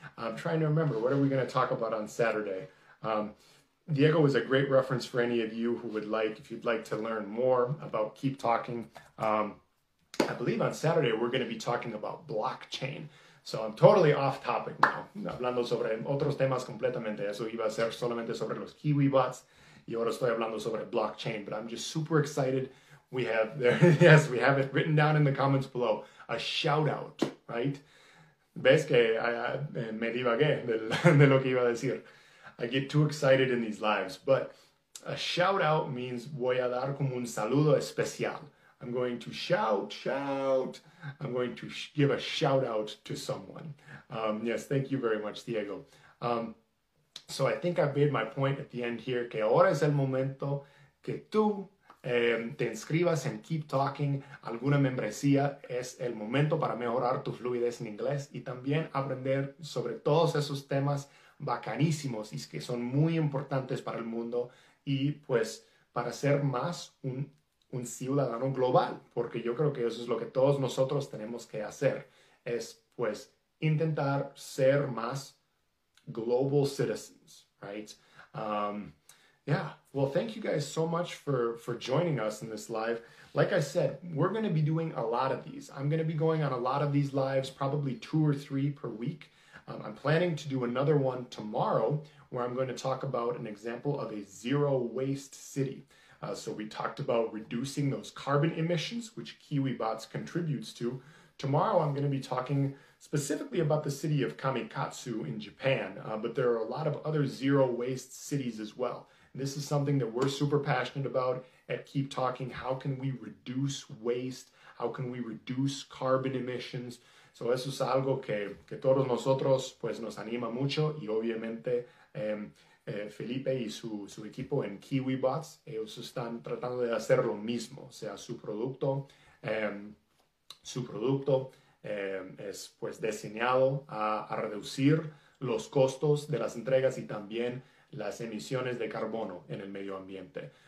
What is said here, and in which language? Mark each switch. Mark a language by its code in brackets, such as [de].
[en] I'm trying to remember, what are we going to talk about on Saturday? Diego is a great reference for any of you who would like, if you'd like to learn more about Keep Talking. I believe on Saturday we're going to be talking about blockchain. So I'm totally off topic now. [es] Hablando sobre otros temas completamente. Eso iba a ser solamente sobre los KiwiBots. Y ahora estoy hablando sobre blockchain. [en] But I'm just super excited. We have, yes, we have it written down in the comments below. A shout out, right? [es] Ves que me divagué de lo que iba a decir. [en] I get too excited in these lives. But a shout out means [es] voy a dar como un saludo especial. [en] I'm going to shout. I'm going to give a shout out to someone. Yes, thank you very much, Diego. So I think I've made my point at the end here. [es] Que ahora es el momento que tú te inscribas en Keep Talking. Alguna membresía es el momento para mejorar tu fluidez en inglés y también aprender sobre todos esos temas bacanísimos y que son muy importantes para el mundo y pues para ser más un ciudadano global, porque yo creo que eso es lo que todos nosotros tenemos que hacer, es pues intentar ser más [en] global citizens, right? Yeah, well, thank you guys so much for joining us in this live. Like I said, we're going to be doing a lot of these. I'm going to be going on a lot of these lives, probably two or three per week. I'm planning to do another one tomorrow where I'm going to talk about an example of a zero waste city. So we talked about reducing those carbon emissions, which KiwiBots contributes to. Tomorrow, I'm going to be talking specifically about the city of Kamikatsu in Japan, but there are a lot of other zero waste cities as well. And this is something that we're super passionate about at Keep Talking. How can we reduce waste? How can we reduce carbon emissions? [es] So eso es algo que todos nosotros pues nos anima mucho y obviamente Felipe y su equipo en KiwiBots, ellos están tratando de hacer lo mismo, o sea, su producto es pues diseñado a reducir los costos de las entregas y también las emisiones de carbono en el medio ambiente.